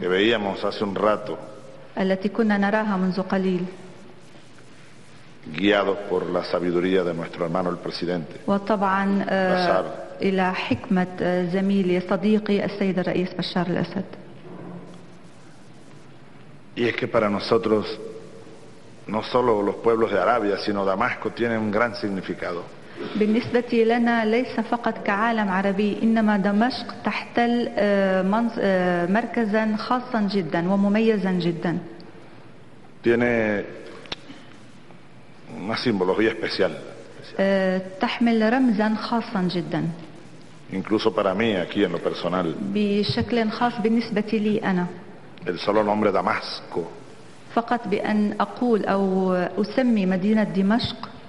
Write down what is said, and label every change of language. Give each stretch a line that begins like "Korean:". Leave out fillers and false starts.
Spanish: que veíamos hace un rato,
Arabic: التي كنا نراها منذ قليل.
Spanish: Guiados por la sabiduría de nuestro hermano el presidente.
Arabic: وطبعا, Bashar, إلى حكمة زميلي صديقي السيد الرئيس بشار الأسد.
Spanish: Y es que para nosotros no solo los pueblos de Arabia sino Damasco tienen un gran significado.
Arabic: بالنسبة لنا ليس فقط كعالم عربي إنما دمشق تحتل مركزا خاصا جدا ومميزا جدا.
Spanish: Tiene una simbología especial.
Arabic: تحمل رمزا خاصا جدا.
Spanish: Incluso para mí aquí en lo personal.
Arabic: بشكل خاص بالنسبة لي أنا.
Spanish: El solo nombre Damasco.
Arabic: فقط بأن أقول أو أسمي مدينة دمشق.